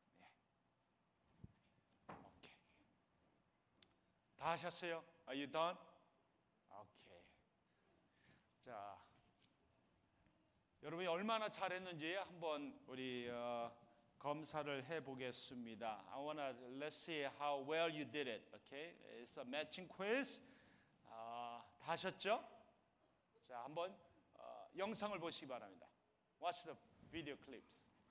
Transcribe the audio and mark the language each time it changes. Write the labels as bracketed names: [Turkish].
[Korean] 네. 오케이. 다 하셨어요? [English] Are you done? [Korean] 오케이. 자, 여러분이 얼마나 잘했는지 한번 우리 검사를 해보겠습니다. [English] I wanna let's see how well you did it. Okay, it's a matching quiz. [Korean] 다 하셨죠? 자, 한번 영상을 보시기 바랍니다. [English] Watch the video clips.